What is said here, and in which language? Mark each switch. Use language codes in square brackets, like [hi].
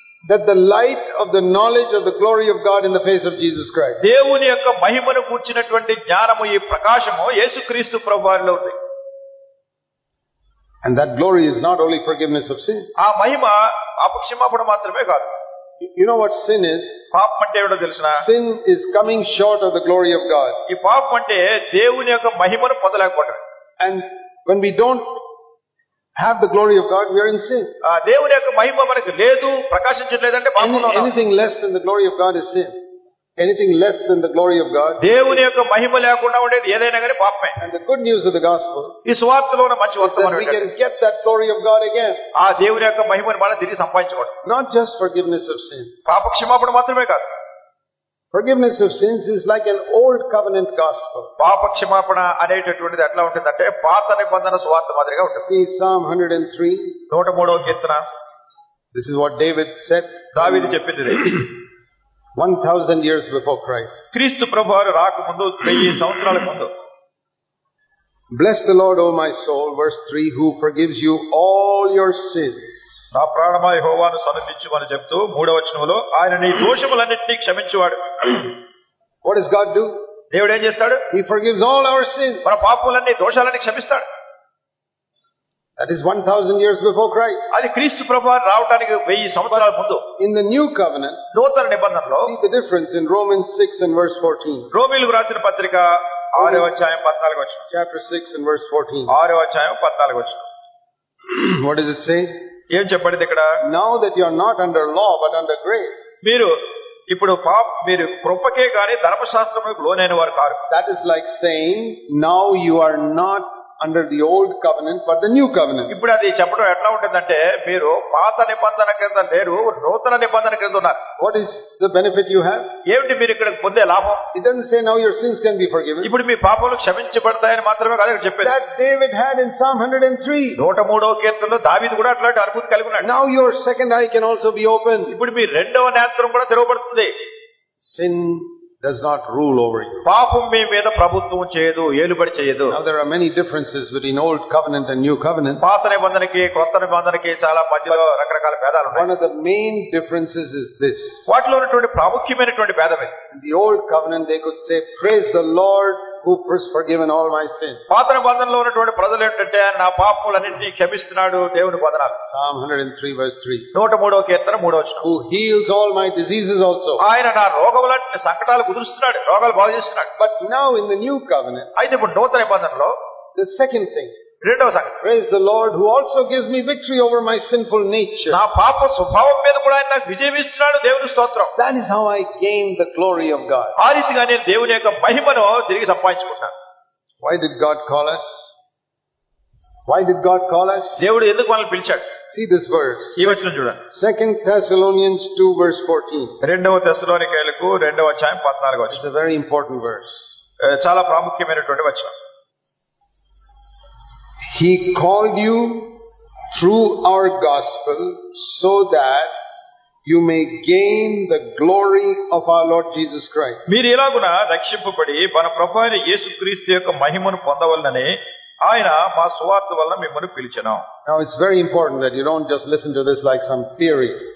[en] That the light of the knowledge of the glory of God in the face of Jesus Christ. [te] దేవుని యొక్క మహిమను కూర్చినటువంటి జ్ఞానము, ఈ ప్రకాశము యేసుక్రీస్తు ప్రభు వారిలో ఉంది. [en] And that glory is not only forgiveness of sin. [te] ఆ మహిమ అపక్షమాపణ మాత్రమే కాదు. [en] You know what sin is? [te] పాపం అంటే ఏంటో తెలుసా? [en] Sin is coming short of the glory of God. [te] ఈ పాపం అంటే దేవుని యొక్క మహిమను పొందలేకపోవడం. [en] And when we don't have the glory of God, we are in sin. [te] ఆ దేవుని యొక్క మహిమ మనకు లేదు, ప్రకాశించట్లేదు అంటే పాపంలో ఉన్నాం. [en] Anything less than the glory of God is sin. Anything less than the glory of God, [te] దేవుని యొక్క మహిమ లేకుండా ఉండేది ఏదైనా గానీ పాపమే. [en] And the good news of the gospel, [te] ఈ సువార్తలోన మంచి వార్తమను అంటే, [en] we can get that glory of God again. [te] ఆ దేవుని యొక్క మహిమను మనం తిరిగి సంపాదించుకోవడం. [en] Not just forgiveness of sins, [te] పాప క్షమాపణ మాత్రమే కాదు. [en] Forgiveness of sins is like an old covenant gospel. [te] పాప క్షమాపణ అనేటటువంటిది ఎట్లా ఉంటుందంటే పాత నిబంధన సువార్త మాదిరిగా ఉంటుంది. [en] See Psalm 103, [te] 103వ Keerthana. [en] This is what David said. [te] దావీదు చెప్పింది [en] 1000 years before Christ. [te] క్రీస్తు ప్రభువు రాకముందు 1000 సంవత్సరాల ముందు. [en] Bless the Lord, O my soul, verse 3, who forgives you all your sins. [te] నా ప్రాణమా యెహోవాను స్తుతించుమని చెప్తూ 3వ వచనములో ఆయన నీ దోషములన్నిటిని క్షమించువాడు. [en] What does God do? [te] దేవుడు ఏం చేస్తాడు? [en] He forgives all our sins. [te] మన పాపములన్నీ దోషాలన్నీ క్షమిస్తాడు. [en] That is 1000 years before Christ. [te] అది క్రీస్తు ప్రభువు రావడానికి 1000 సంవత్సరాల ముందు. [en] In the new covenant, [te] నూతన నిబంధనలో, [en] see the difference in Romans 6 and verse 14. [te] రోమీయులకు రాసిన పత్రిక 6వ అధ్యాయం 14వ వచనం. [en] Chapter 6 and verse 14. [te] 6వ అధ్యాయం 14వ వచనం. [en] What does it say? [te] ఏం చెప్పబడింది ఇక్కడ? [en] Now that you are not under law but under grace. [te] మీరు ఇప్పుడు మీరు కృపకే గాని ధర్మశాస్త్రమునకు లోనైన వారు car. [en] That is like saying now you are not under the old covenant but the new covenant. [te] ఇప్పుడు అది చెప్పడం ఎట్లా ఉంటుందంటే మీరు పాత నిబంధన క్రింద లేరు, నూతన నిబంధన క్రింద ఉన్నారు. [en] What is the benefit you have? [te] ఏంటి మీరు ఇక్కడ పొందే లాభం? [en] It doesn't say now your sins can be forgiven. [te] ఇప్పుడు మీ పాపాలు క్షమించబడతాయని మాత్రమే కాదు ఇక్కడ చెప్పేది. [en] That David had in Psalm 103. [te] 103వ కీర్తనలో దావీదు కూడా అట్లాంటి అద్భుతం కలిగి ఉన్నాడు. [en] Now your second eye can also be opened. [te] ఇప్పుడు మీ రెండవ నేత్రం కూడా తెరవబడుతుంది. [en] Sin does not rule over you. [te] పాపం మీ మీద ప్రభుత్వం చేయదు, ఏలుబడి చేయదు. [en] Now there are many differences between old covenant and new covenant. [te] పాత నిబంధనకి కొత్త నిబంధనకి చాలా మధ్యలో రకరకాల భేదాలు ఉన్నాయి. [en] One of the main differences is this. [te] వాటిలో ఉన్నటువంటి ప్రాముఖ్యమైనటువంటి భేదం ఇది. [en] In the old covenant they could say praise the Lord who has forgiven all my sins. [te] పాత నిబంధనలో ఉన్నటువంటి ప్రజలు ఏంటంటే నా పాపములన్నిటినీ క్షమిస్తున్నాడు దేవుని వదనాలు. [en] Psalm 103 verse 3. [te] 103వ కీర్తన 3వ వచనం. [en] Who heals all my diseases also. [te] ఆయన నా రోగములన్నిటి సంకటాలు కుదురుస్తున్నాడు, రోగాలు బాగు చేస్తున్నాడు. [en] But now in the new covenant. [te] అయితే ఇప్పుడు నూతన నిబంధనలో [en] the second thing. [te] రెండవ సంగతి, [en] Praise the lord who also gives me victory over my sinful nature. [te] నా పాప స్వభావం మీద కూడా ఆయన నాకు విజయం ఇస్తున్నాడు, దేవుని స్తోత్రం. [en] That is how I gain the glory of God. [te] ఆ రీతిగా నేను దేవుని యొక్క మహిమను తిరిగి సంపాదించుకుంటాను. [en] Why did God call us? Why did God call us? [te] దేవుడు ఎందుకు మనల్ని పిలిచాడు? [en] See this verse. [te] ఈ వచనం చూడండి. [en] 2 Thessalonians 2 verse 14. [te] రెండవ తెస్సలోనికయులకు రెండవ అధ్యాయం 14వ వచనం. [en] It's a very important verse. [te] చాలా ప్రాముఖ్యమైనటువంటి వచనం. [en] He called you through our gospel so that you may gain the glory of our Lord Jesus Christ. [te] మీరు ఎలాగున రక్షింపబడి మన ప్రభువైన యేసుక్రీస్తు యొక్క మహిమను పొందవలనని ఆయన మా సువార్త వల్ల మిమ్మల్ని పిలిచాను. [en] Now it's very important that you don't just listen to this like some theory.